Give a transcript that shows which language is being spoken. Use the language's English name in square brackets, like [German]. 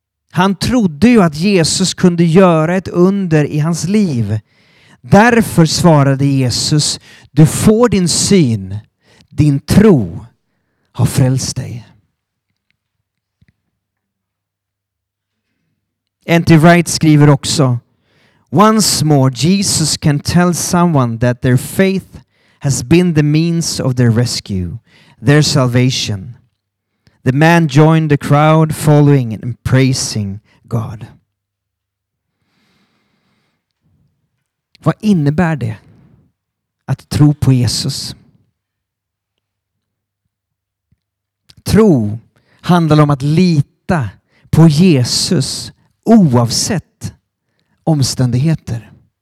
[Swedish] Han trodde ju att Jesus kunde göra ett under i hans liv. Därför svarade Jesus: du får din syn, din tro har frälst dig. N.T. [English] Wright [Swedish] skriver också: [English] once more, Jesus can tell someone that their faith has been the means of their rescue, their salvation. The man joined the crowd following and praising God. [Swedish] Vad innebär det att tro på Jesus? Tro handlar om att lita på Jesus oavsett omständigheter.